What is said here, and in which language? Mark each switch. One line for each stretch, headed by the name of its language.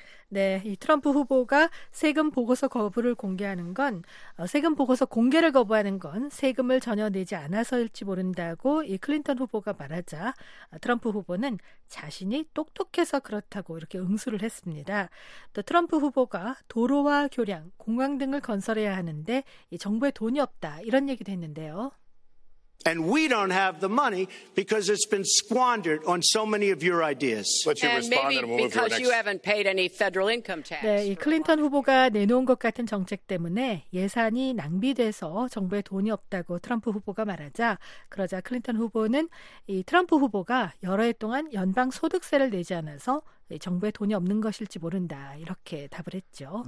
Korean: 네, 이 트럼프 후보가 세금 보고서 거부를 공개하는 건 세금 보고서 공개를 거부하는 건 세금을 전혀 내지 않아서일지 모른다고 이 클린턴 후보가 말하자 트럼프 후보는 자신이 똑똑해서 그렇다고 이렇게 응수를 했습니다. 또 트럼프 후보가 도로와 교량, 공항 등을 건설해야 하는데 이 정부에 돈이 없다 이런 얘기도 했는데요.
English: And we don't have the money because it's been squandered on so many of your ideas. And maybe because you haven't paid any federal income tax.
Korean: 네, 이 클린턴 후보가 내놓은 것 같은 정책 때문에 예산이 낭비돼서 정부에 돈이 없다고 트럼프 후보가 말하자 그러자 클린턴 후보는 이 트럼프 후보가 여러 해 동안 연방 소득세를 내지 않아서 정부에 돈이 없는 것일지 모른다 이렇게 답을 했죠.